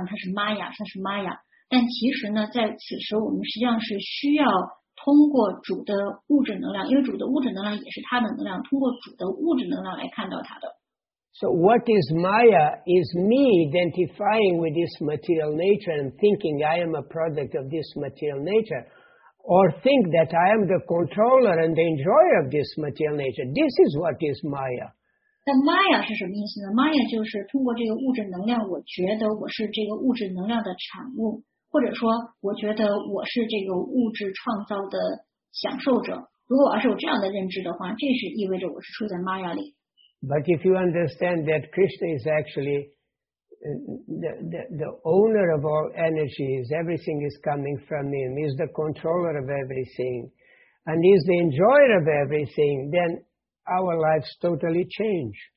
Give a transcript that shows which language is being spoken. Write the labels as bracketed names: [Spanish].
[Chinese] 所以说我们不能说这个物质能量它是玛雅，它是玛雅， 但其实呢，在此时我们实际上是需要 通过主的物质能量， 因为主的物质能量也是他的能量， 通过主的物质能量来看到他的。 [English] So what is Maya is me identifying with this material nature and thinking I am a product of this material nature, or think that I am the controller and the enjoyer of this material nature. This is what is Maya. [Chinese] 那Maya是什么意思呢？ Maya就是通过这个物质能量， 我觉得我是这个物质能量的产物， 或者说我觉得我是这个物质创造的享受者。如果要是有这样的认知的话， 这是意味着我是处在Maya里。 [English] But if you understand that Krishna is actually the owner of all energies, everything is coming from him, is the controller of everything, and is the enjoyer of everything, then our lives totally change.